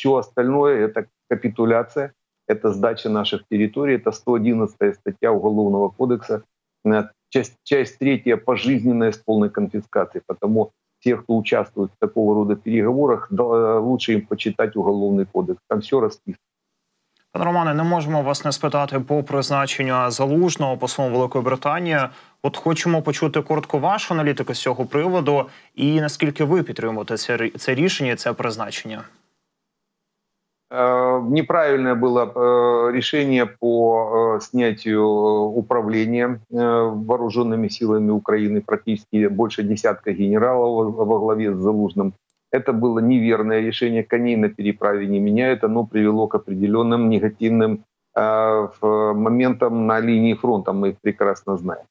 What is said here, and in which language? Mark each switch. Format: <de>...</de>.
<ru>Все остальное – это капитуляция, это сдача наших территорий, это 111-я статья Уголовного кодекса, часть 3-я – пожизненная с полной конфискацией. Потому те, кто участвует в такого рода переговорах, лучше им почитать Уголовный кодекс, там все расписано.</ru> <uk>Пане Романе, не можемо вас не спитати по призначенню Залужного послом Великої Британії. От хочемо почути коротко вашу аналітику з цього приводу і наскільки ви підтримуєте це рішення, це призначення? Неправильне було рішення по зняттю управління</uk> <ru>вооруженими</ru> <uk>силами України, практично більше десятка генералів</uk> <ru>во главі</ru> <uk>з Залужним.</uk> <ru>Это было неверное решение, коней на переправе не меняют, оно привело к определенным негативным моментом на линии фронта, мы прекрасно знаем.</ru>